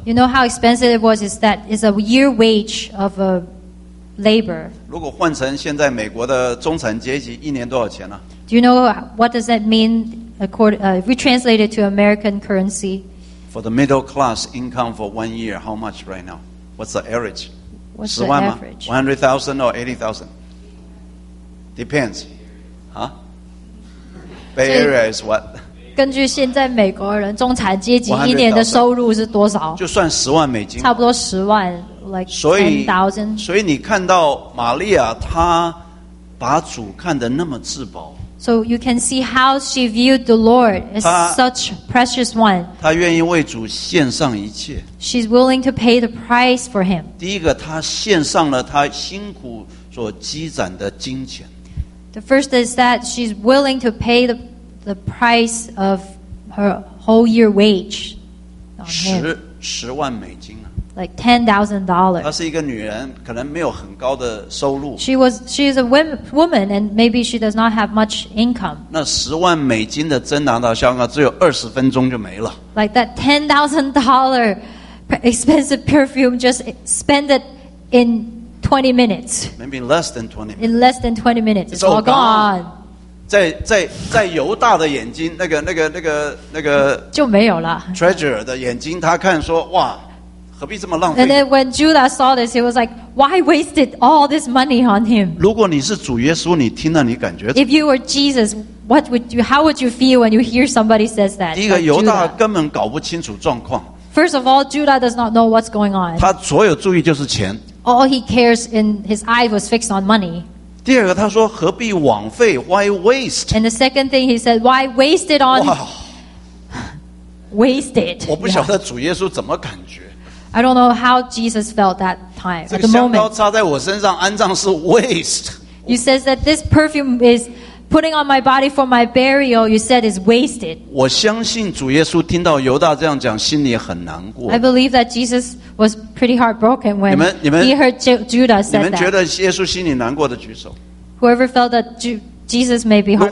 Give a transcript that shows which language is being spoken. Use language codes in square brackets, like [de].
[en] You know how expensive it was? Is that is a year wage of a labor? [zh] 如果换成现在美国的中产阶级，一年多少钱呢、啊、 [en] ？Do you know what does that mean? If we translate it to American currency. For the middle class income for 1 year, how much right now? What's the average? What's the average? 100,000 or 80,000? Depends. Huh? Bay Area is what? [zh] 根据现在美国人中产阶级一年的收入是多少？就算十万美金。差不多十万 , [en] like 10,000. [zh] 所以你看到玛利亚她把主看得那么至宝。 [en] So you can see how she viewed the Lord as such precious one. [zh] 她愿意为主献上一切。 [en] She's willing to pay the price for him. [zh] 第一个，她献上了她辛苦所积攒的金钱。 [en] The first is that she's willing to pay the price of her whole year wage. [zh] 十万美金啊。 [en] Like $10,000. [zh] 她是一个女人，可能没有很高的收入。 [en] She is a woman, and maybe she does not have much income. [zh] 那十万美金的真拿达香膏只有20分钟就没了。 [en] Like that $10,000 expensive perfume just spend it in 20 minutes. Maybe less than 20. In less than 20 minutes, it's all gone. [zh] 在犹大的眼睛，那个就没有了。 Treasurer 的眼睛，他看说哇。何必这么浪费? [en] And then when Judah saw this, he was like, why wasted all this money on him? [zh] 如果你是主耶稣, 你听了, 你感觉, [en] If you were Jesus, how would you feel when you hear somebody says that? [zh] 第一个, 犹大根本搞不清楚状况。 [en] First of all, Judah does not know what's going on. [zh] 他所有注意就是钱。 [en] All he cares in his eye was fixed on money. [zh] 第二个, 他说, 何必枉费? [en] Why waste? And the second thing he said, why waste it on? Wasted. [zh] 我不晓得主耶稣怎么感觉。 [en] I don't know how Jesus felt that time, at the moment. [zh] 这个香膏插在我身上安葬是 waste. [en] You said that this perfume is putting on my body for my burial, you said is wasted. [zh] 我相信主耶稣听到犹大这样讲心里很难过。 [en] I believe that Jesus was pretty heartbroken when he heard Judah said that. [zh] 你们觉得耶稣心里难过的举手。 [en] Whoever felt that Jesus may be heartbroken.